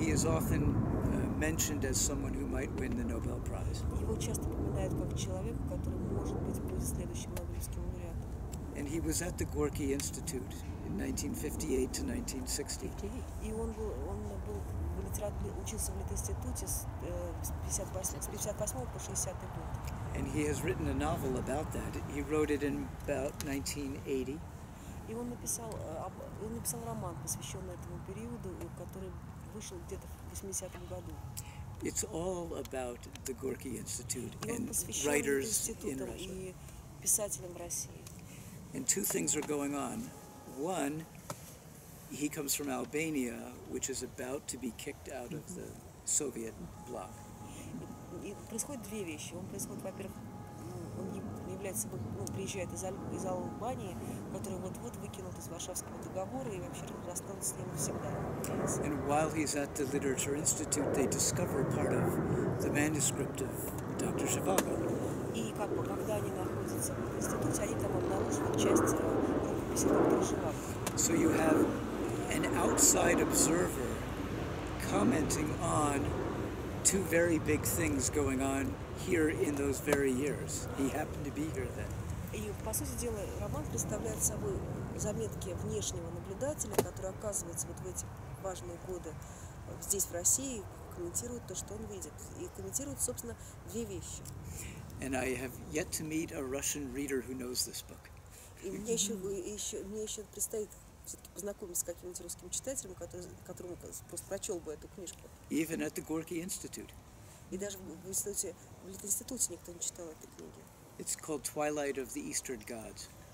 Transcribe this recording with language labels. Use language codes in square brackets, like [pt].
[en] He is often mentioned as someone who might win the Nobel Prize. [ru] Его часто упоминают как человека, который может быть будет следующим Нобелевским лауреатом. [en] And he was at the Gorky Institute in 1958 to 1960. [ru] И он был в литературе, учился в литинституте с 58 по 60 год. [en] And he has written a novel about that. He wrote it in about 1980. [ru] И он написал роман, посвящённый этому периоду, который вышел где-то в 80-м году. [en] It's all about the Gorky Institute and writers in Russia. [ru] И писателям России. [en] And two things are going on. One, he comes from Albania, which is about to be kicked out of the Soviet bloc. [ru] И происходят две вещи. Он происходит, во-первых, он является, приезжает из Албании, который вот-вот выкинут из Варшавского договора и вообще расстанутся с ним навсегда. [en] And while he's at the Literature Institute, they discover part of the manuscript of Dr. Zhivago. [ru] И как бы, когда они находятся в институте, они там обнаруживают часть рукописи доктора Живаго. [en] So you have an outside observer commenting on two very big things going on here in those very years. He happened to be here then. [ru] И, по сути дела, роман представляет собой заметки внешнего наблюдателя, который оказывается вот в эти важные годы здесь, в России, комментирует то, что он видит. И комментирует, собственно, две вещи. [en] And I have yet to meet a Russian reader who knows this book. [ru] И мне еще предстоит все-таки познакомиться с каким-нибудь русским читателем, которому просто прочел бы эту книжку. [en] Even at the Gorky Institute. [ru] И даже в институте никто не читал этой книги. [en] It's called Twilight of the Eastern Gods.